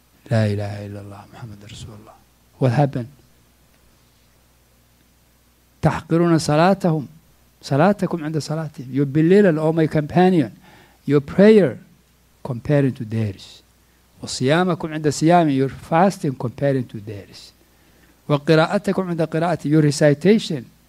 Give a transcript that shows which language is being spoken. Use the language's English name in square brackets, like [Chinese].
[Arabic] لا إله إلا الله محمد رسول الله. [English] What happened? [Arabic] تحقرون صلاتهم صلاتكم عند صلاتهم. [English] You belittle all my companion, your prayer comparing to theirs. [Arabic] وصيامكم عند صيامي, [English] your fasting comparing to theirs. [Arabic] وقراءتكم عند قراءتي, [English] your recitation.